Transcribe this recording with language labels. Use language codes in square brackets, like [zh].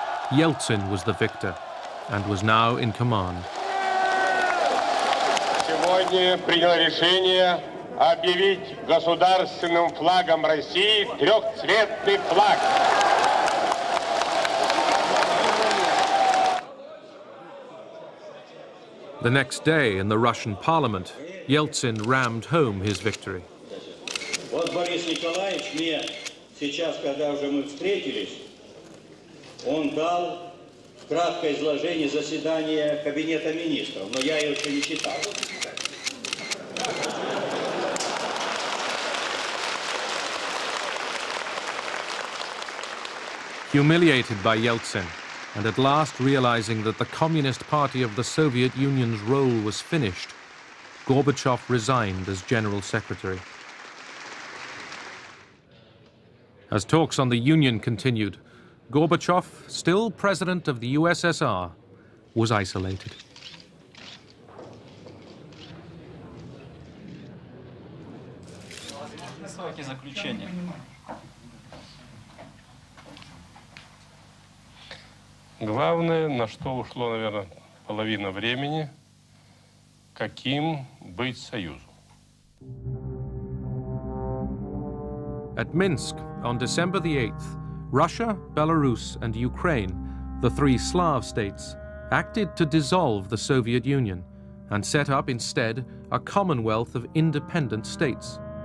[en] Yeltsin was the victor and was now in command. [ru] Сегодня принял решение объявить государственным флагом России трехцветный флаг. [en] The next day, in the Russian parliament, Yeltsin rammed home his victory. [ru] Вот Борис Николаевич мне сейчас, когда уже мы встретились, он дал краткое изложение заседания кабинета министров, но я его еще не читал. [en] Humiliated by Yeltsin, and at last realizing that the Communist Party of the Soviet Union's role was finished, Gorbachev resigned as General Secretary. As talks on the Union continued, Gorbachev, still President of the USSR, was isolated. [ru] заключение. Главное, на что ушло, наверное, половина времени, каким быть союзу. [en] At Minsk on December the 8th, Russia, Belarus and Ukraine, the three Slav states, acted to dissolve the Soviet Union and set up instead a commonwealth of independent states.